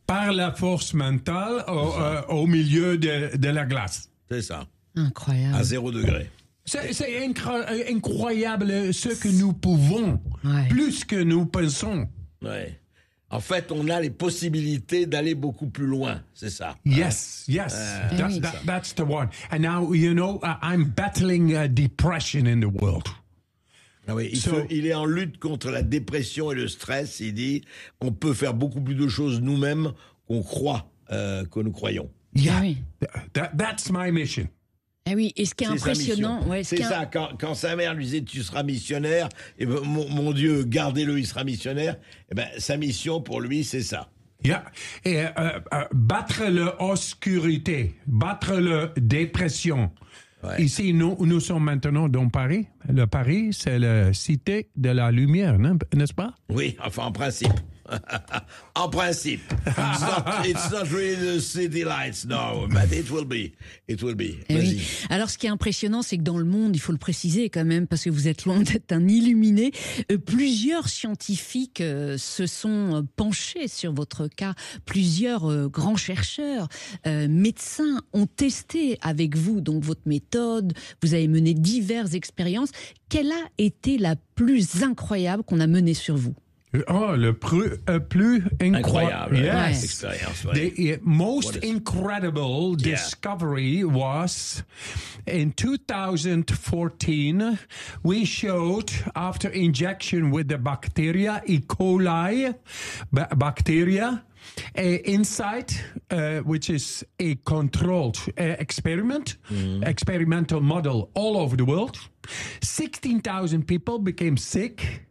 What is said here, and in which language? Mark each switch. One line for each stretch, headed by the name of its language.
French: Par la force mentale au milieu de la glace. C'est ça. Incroyable. À zéro degré. C'est incroyable ce que nous pouvons, ouais. Plus que nous pensons. Ouais. En fait, on a les possibilités d'aller beaucoup plus loin, c'est ça.
English: Yes, yes, that's the one. And now, you know, I'm battling a depression in the world.
French: Ah oui, il est en lutte contre la dépression et le stress. Il dit, on peut faire beaucoup plus de choses nous-mêmes qu'on croit, que nous croyons.
English: Yeah, oui. That's my mission.
French: Eh oui, et ce qui est impressionnant... Quand sa mère lui disait « tu seras missionnaire », et ben, mon Dieu, gardez-le, il sera missionnaire, et ben, sa mission pour lui, c'est ça.
English: Yeah.
French: Et battre l'obscurité, battre la dépression. Ouais. Ici, nous sommes maintenant dans Paris. Le Paris, c'est la cité de la lumière, n'est-ce pas? Oui, enfin, en principe. En principe,
English: it's not really the city lights, no, but it will be.
French: Oui. Alors, ce qui est impressionnant, c'est que dans le monde, il faut le préciser quand même, parce que vous êtes loin d'être un illuminé, plusieurs scientifiques se sont penchés sur votre cas. Plusieurs grands chercheurs, médecins, ont testé avec vous donc votre méthode. Vous avez mené diverses expériences. Quelle a été la plus incroyable qu'on a menée sur vous? Oh, le plus incroyable.
English: Yes. Ouais. Experience, ouais. The most incredible discovery was in 2014, we showed after injection with the bacteria, E. coli bacteria, insight, which is a controlled experiment, experimental model all over the world, 16,000 people became sick.